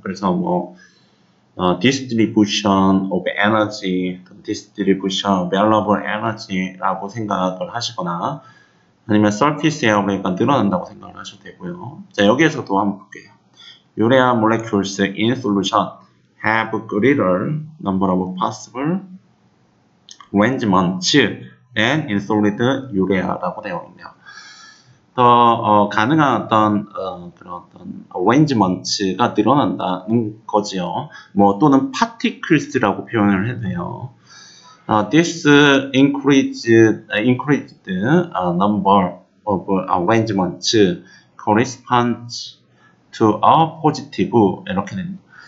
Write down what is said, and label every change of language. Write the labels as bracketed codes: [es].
[ko] 그래서 뭐 [en] distribution of energy, distribution of available energy라고 생각을 하시거나. [ko] 아니면 surface area가 늘어난다고 생각을 하셔도 되고요. 자, 여기에서 또 한번 볼게요. [en] urea molecules in solution have greater number of possible arrangements than in solid urea라고 되어 있네요. [ko] 더 가능한 어떤 그런 어떤 arrangements가 늘어난다는 거지요. 뭐 또는 particles라고 표현을 해도 돼요. [en] this increased number of arrangements corresponds to a positive [ko] 이렇게 됩니다.